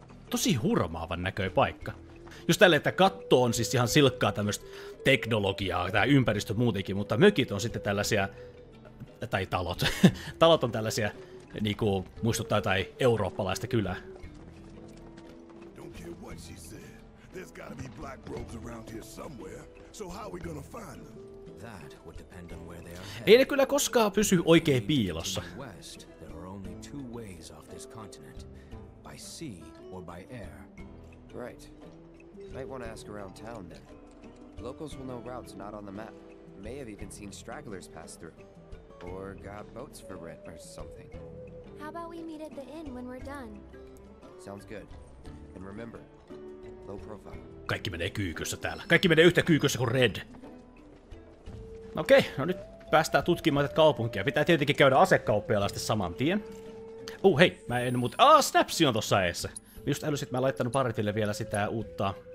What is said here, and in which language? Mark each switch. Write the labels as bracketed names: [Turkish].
[Finnish] Tosi hurmaavan näköi paikka. Just tälle, että katto on siis ihan silkkaa tämmöstä teknologiaa, tää ympäristö muutenkin, mutta mökit on sitten tällaisia... Tai talot. Talot on tällaisia... Niinku muistuttaa jotain eurooppalaista kylää. [English] Don't care what she said. There's gotta be black robes around here somewhere. So how are we gonna find them? That would depend on where they are headed. [Finnish] Ei ne kyllä koskaan pysy oikein piilossa. [English] There are only two ways off this continent. By sea or by air. Right. Might want to ask around town then. Locals will know routes not on the map. May have even seen stragglers pass through. Or got boats for rent or something. How about we meet at the inn when we're done? Sounds good. And remember, low profile. [Finnish] Kaikki menee kyykyssä täällä. Kaikki menee yhtä kyykyssä kuin Red. Okei, no nyt päästään tutkimaan tätä kaupunkia. Pitää tietenkin käydä asekauppiailla sitten saman tien. Hei, mä en muuta... Snapsi on tossa eessä. Just älysin, että mä laittanut Barretille vielä sitä uutta...